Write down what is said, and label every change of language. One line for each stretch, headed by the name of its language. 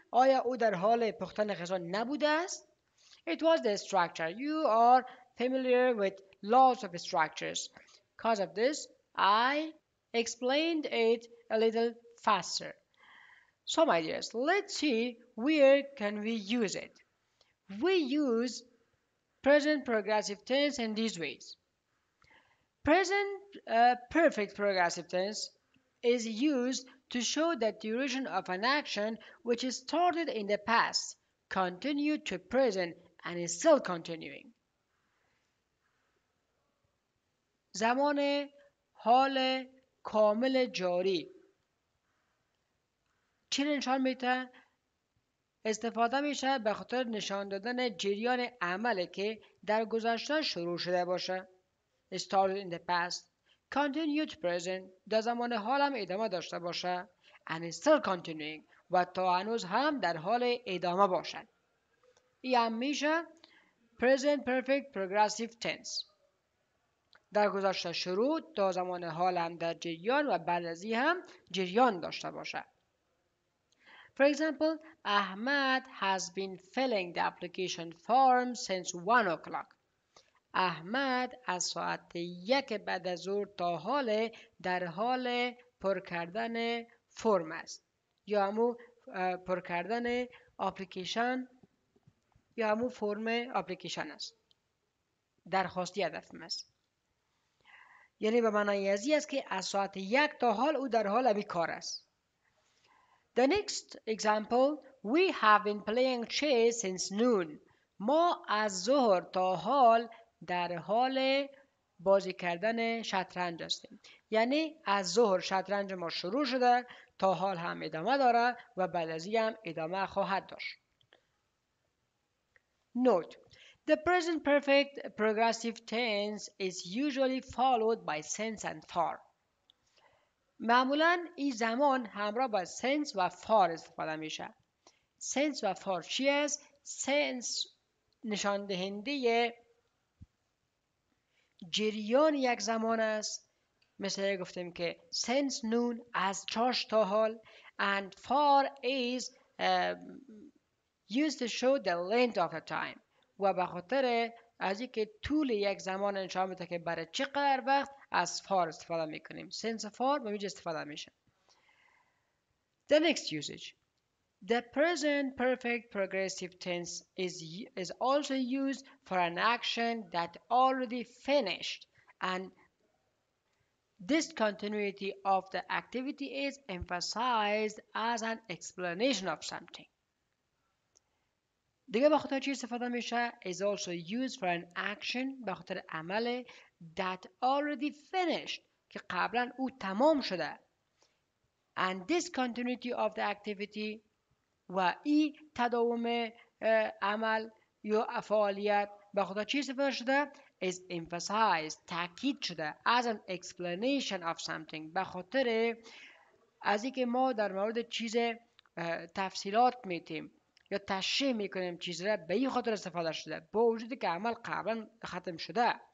Persian: آیا او در حال پختن غذا نبوده است؟
English: It was the structure. You are familiar with lots of structures. Because of this, I explained it a little faster. So, my dears, let's see where can we use it. We use present progressive tense in these ways. Present perfect progressive tense is used to show the duration of an action which is started in the past, continued to present, and is still continuing.
Persian: زمان حال کامل جاری چی نشان میده؟ استفاده میشه به خاطر نشان دادن جریان عملی که در گذشته شروع شده باشه.
English: Started in the past. Continued present.
Persian: در زمان حال هم ادامه داشته باشه.
English: And still continuing.
Persian: و تا هنوز هم در حال ادامه باشد. این هم میشه
English: present perfect progressive tense.
Persian: در گذشته شروع تا زمان حال هم در جریان و بعد از این هم جریان داشته باشد.
English: For example, Ahmad has been filling the application form since 1 o'clock.
Persian: Ahmad از ساعت 1 بعد از ظهر تا حال در حال پر کردن فرم است. یا همو پر کردن اپلیکیشن یا همو فرم اپلیکیشن است. درخواستی هدف است. یعنی به معنی ازی است که از ساعت 1 تا حال او در حال کار است.
English: The next example, we have been playing chess since noon.
Persian: ما از ظهر تا حال در حال بازی کردن شطرنج هستیم. یعنی از ظهر شطرنج ما شروع شده تا حال هم ادامه داره و بعد از این هم ادامه خواهد داشت.
English: Note, the present perfect progressive tense is usually followed by since and for.
Persian: معمولاً این زمان همراه با since و for استفاده میشه. Since و for چی است؟ Since نشان دهنده جریان یک زمان است. مثل گفتیم که since noon از چاش تا حال
English: and for is used to show the length of the time.
Persian: و به خاطر از اینکه طول یک زمان نشان میده که برای چقدر وقت از فار استفاده میکنیم. Since far به میجه استفاده میشه.
English: The next usage. The present perfect progressive tense is also used for an action that already finished and discontinuity of the activity is emphasized as an explanation of something.
Persian: دیگه به خاطر چی استفاده میشه؟
English: is also used for an action
Persian: به خاطر عمل
English: that already finished
Persian: که قبلا او تمام شده
English: and discontinuity of the activity
Persian: و ای تداوم عمل یا فعالیت به خاطر چی استفاده شده؟
English: is emphasized
Persian: تاکید شده
English: as an explanation of something
Persian: به خاطر از این که ما در مورد چیز تفصیلات میتیم یا تشریح میکنیم چیز را به این خاطر استفاده شده با وجود که عمل قبلا ختم شده.